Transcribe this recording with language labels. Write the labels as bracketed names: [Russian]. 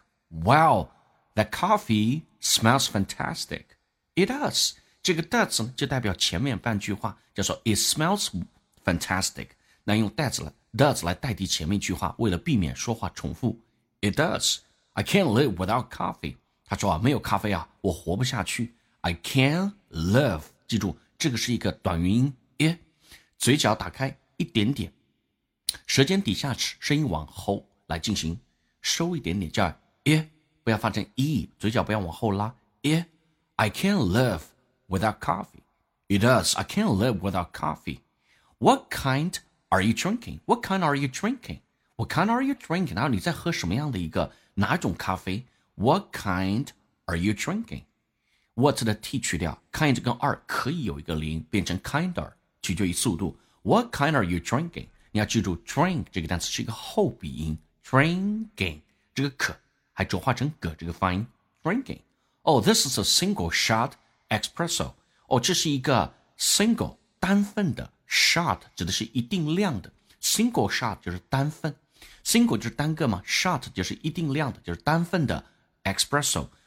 [English] Wow,That coffee smells fantastic. It does. [Chinese] 这个 does 呢就代表前面半句话，叫做 [English] It smells fantastic. [Chinese] 那用 does 来代替前面句话，为了避免说话重复。 [English] It does. I can't live without coffee. [Chinese] 他说啊，没有咖啡啊，我活不下去。 [English] I can't live. [Chinese] 记住，这个是一个短元音 I， 嘴角打开一点点，舌尖底下齿，声音往后来进行收一点点，叫 I。不要发成 E， 嘴角不要往后拉。 [English] I can't live without coffee. It does. I can't live without coffee. What kind are you drinking? What kind are you drinking? What kind are you drinking? [Chinese] 然后你在喝什么样的一个哪种咖啡？ [English] What kind are you drinking? [Chinese] What 的 T 去掉， kind 跟 R 可以有一个零，变成 kinder， 取决于速度。 [English] What kind are you drinking? [Chinese] 你要记住 drink 这个单词是一个后鼻音 drinking， 这个可。还浊化成葛这个发音 drinking。 [English] Oh, this is a single shot espresso. [Chinese] 这是一个 single 单份的， shot 指的是一定量的， single shot 就是单份， single 就是单个嘛， shot 就是一定量的，就是单份的 espresso。